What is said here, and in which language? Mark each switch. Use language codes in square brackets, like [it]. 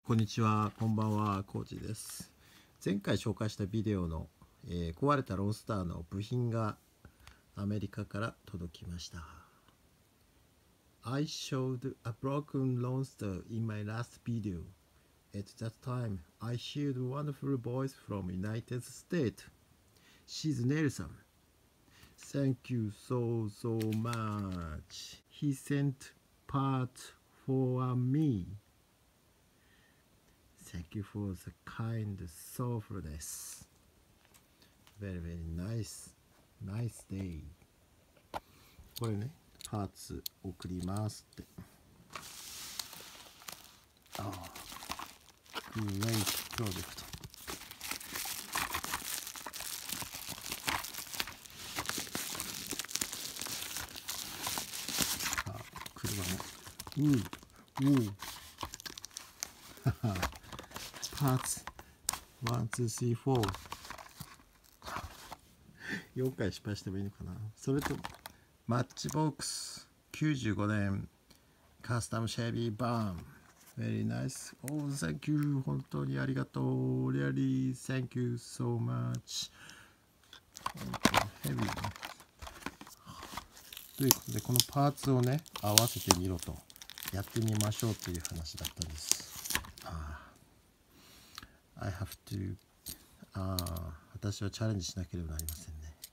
[ja] こんにちは、こんばんは、コージです。前回紹介したビデオの、壊れたロースターの部品がアメリカから届きました。 [en] I showed a broken roaster in my last video. At that time, I heard wonderful voice from United States. She's Nelson. Thank you so, so much. He sent parts for me. Thank you for the kind thoughtfulness. Very, very nice. Nice day. [ja] これね、パーツ送りますって。ああ、ナイスプロジェクト。あ、車ね。ははパーツ、ワン、ツー、スリー、フォー。 4回失敗してもいいのかな。それと、マッチボックス、95年、カスタムシェービーバーン。 [en] Very nice. Oh, thank you. [ja] 本当にありがとう。 [en] Really, thank you so much. [ja] ヘビーね。ということで、このパーツをね、合わせてみろと、やってみましょうという話だったんです。 [en] I have to... [ja] ああ、私はチャレンジしなければなりませんね。